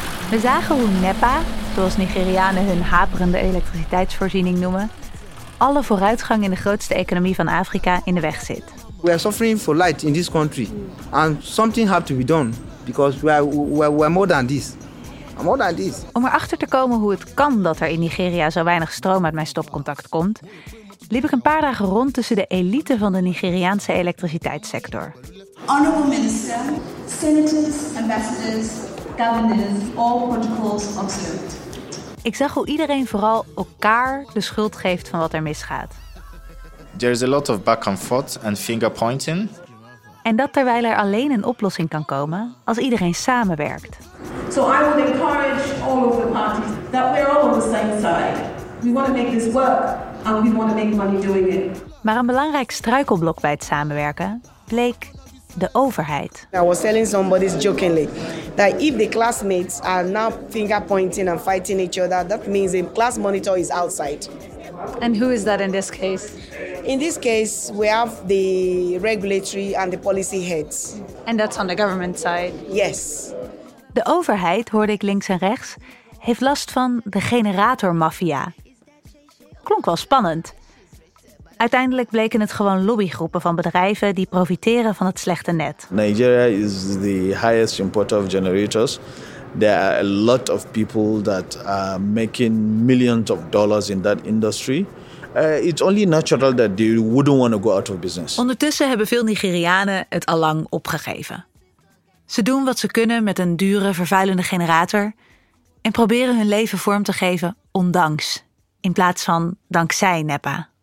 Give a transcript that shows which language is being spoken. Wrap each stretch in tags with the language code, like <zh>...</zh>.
<nl>We zagen hoe NEPA, zoals Nigerianen hun haperende elektriciteitsvoorziening noemen, alle vooruitgang in de grootste economie van Afrika in de weg zit.</nl> <en>We are suffering for light in this country, and something has to be done because we are more than this.</en> <nl>Om erachter te komen hoe het kan dat er in Nigeria zo weinig stroom uit mijn stopcontact komt, liep ik een paar dagen rond tussen de elite van de Nigeriaanse elektriciteitssector.</nl> <en>Honorable minister, senators, ambassadors, governors, all protocols observed.</en> <nl>Ik zag hoe iedereen vooral elkaar de schuld geeft van wat er misgaat.</nl> <en>There is a lot of back and forth and finger pointing.</en> <nl>En dat terwijl er alleen een oplossing kan komen als iedereen samenwerkt.</nl> <en>So I would encourage all of the parties that we're all on the same side. We want to make this work and we want to make money doing it.</en> <nl>Maar een belangrijk struikelblok bij het samenwerken bleek de overheid.</nl> <en>I was telling somebody jokingly that if the classmates are now finger pointing and fighting each other, that means the class monitor is outside. And who is that in this case? In this case, we have the regulatory and the policy heads. And that's on the government side? Yes.</en> <nl>De overheid, hoorde ik links en rechts, heeft last van de generatormafia. Klonk wel spannend. Uiteindelijk bleken het gewoon lobbygroepen van bedrijven die profiteren van het slechte net.</nl> <en>Nigeria is the highest importer of generators. There are a lot of people that are making millions of dollars in that industry. It's only natural that they wouldn't want to go out of business.</en> <nl>Ondertussen hebben veel Nigerianen het allang opgegeven. Ze doen wat ze kunnen met een dure, vervuilende generator en proberen hun leven vorm te geven ondanks, in plaats van dankzij NEPA.</nl>